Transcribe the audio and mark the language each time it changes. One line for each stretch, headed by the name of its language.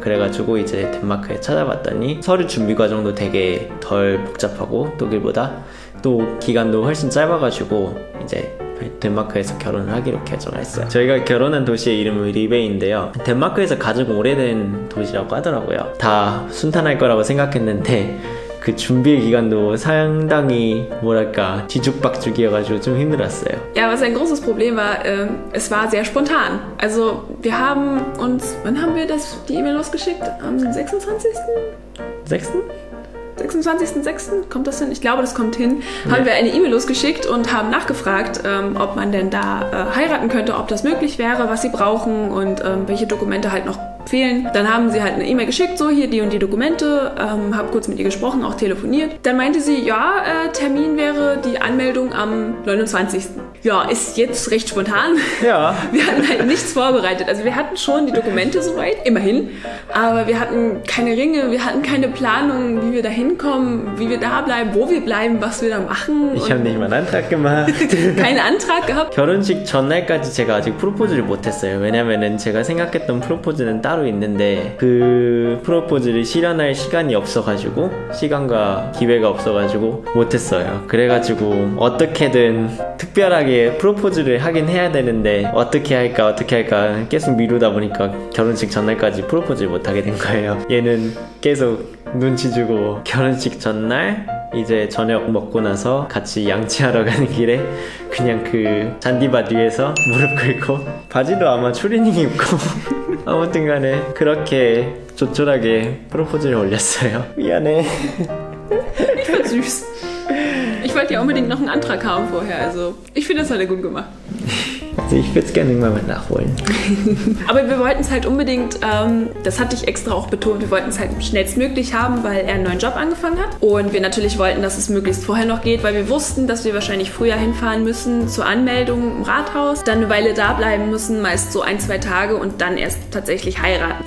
Korean: 그래가지고 이제 덴마크에 찾아봤더니 서류 준비 과정도 되게 덜 복잡하고 독일보다 또 기간도 훨씬 짧아가지고 이제 덴마크에서 결혼을 하기로 결정을 했어요. 저희가 결혼한 도시의 이름은 리베인데요. 덴마크에서 가장 오래된 도시라고 하더라고요. 다 순탄할 거라고 생각했는데 그 준비 기간도 상당히 뭐랄까 뒤죽박죽이어가지고 좀 힘들었어요.
German: Ja, was ein großes Problem war, es war sehr spontan. Also wir haben uns, wann haben wir das die E-Mail losgeschickt? Am 26. 6. 26.06. kommt das hin? Ich glaube, das kommt hin. Haben wir eine E-Mail losgeschickt und haben nachgefragt, ob man denn da heiraten könnte, ob das möglich wäre, was sie brauchen und welche Dokumente halt noch fehlen. Dann haben sie halt eine E-Mail geschickt, so hier die und die Dokumente, habe kurz mit ihr gesprochen, auch telefoniert. Dann meinte sie, ja, Termin wäre die Anmeldung am 29. Ja, ist jetzt recht spontan. Ja. Wir hatten halt nichts vorbereitet. Also wir hatten schon die Dokumente soweit, immerhin, aber wir hatten keine Ringe, wir hatten keine Planung, wie wir da hinkommen, wie wir da bleiben, wo wir bleiben, was wir da machen. Ich habe nicht mal einen Antrag gemacht. Keinen Antrag gehabt.
Korean: 결혼식 전날까지 제가 아직 프로포즈를 못했어요. 왜냐면은 제가 생각했던 프로포즈는 따로 있는데 그 프로포즈를 실현할 시간이 없어가지고 시간과 기회가 없어가지고 못했어요. 그래가지고 어떻게든 특별하게 프로포즈를 하긴 해야 되는데 어떻게 할까 어떻게 할까 계속 미루다 보니까 결혼식 전날까지 프로포즈를 못하게 된 거예요. 얘는 계속 눈치 주고 결혼식 전날 이제 저녁 먹고 나서 같이 양치하러 가는 길에 그냥 그 잔디밭 위에서 무릎 꿇고 바지도 아마 추리닝 입고 아무튼 간에 그렇게 조촐하게 프로포즈를 올렸어요. 미안해.
German: Ich war süß. Ich wollte ja unbedingt noch einen Antrag haben vorher. Also ich finde das alle gut gemacht. Also ich würde es gerne irgendwann mal nachholen. Aber wir wollten es halt unbedingt, das hatte ich extra auch betont, wir wollten es halt schnellstmöglich haben, weil er einen neuen Job angefangen hat. Und wir natürlich wollten, dass es möglichst vorher noch geht, weil wir wussten, dass wir wahrscheinlich früher hinfahren müssen zur Anmeldung im Rathaus, dann eine Weile da bleiben müssen, meist so ein, zwei Tage und dann erst tatsächlich heiraten.